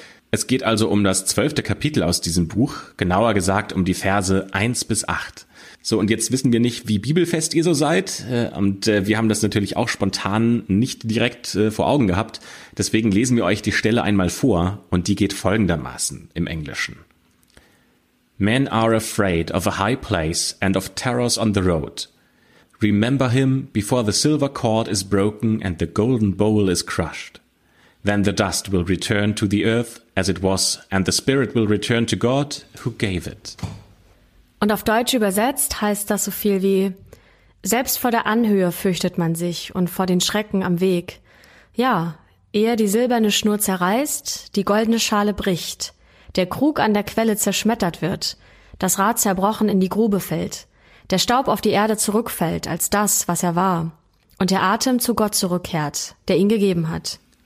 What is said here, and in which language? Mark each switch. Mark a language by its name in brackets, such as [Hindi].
[German] Es geht also um das 12. Kapitel aus diesem Buch, genauer gesagt um die Verse 1 bis 8. So, und jetzt wissen wir nicht, wie bibelfest ihr so seid. Und wir haben das natürlich auch spontan nicht direkt vor Augen gehabt. Deswegen lesen wir euch die Stelle einmal vor und die geht folgendermaßen im Englischen. [English] Men are afraid of a high place and of terrors on the road. Remember him before the silver cord is broken and the golden bowl is crushed. Then the dust will return to the earth as it was and the spirit will return to God who gave it. [German] Und auf Deutsch übersetzt heißt das so viel wie: Selbst vor der Anhöhe fürchtet man sich und vor den Schrecken am Weg. Ja, ehe die silberne Schnur zerreißt, die goldene Schale bricht, der Krug an der Quelle zerschmettert wird, das Rad zerbrochen in die Grube fällt, der Staub auf die Erde zurückfällt als das, was er war, und der Atem zu Gott zurückkehrt, der ihn gegeben hat.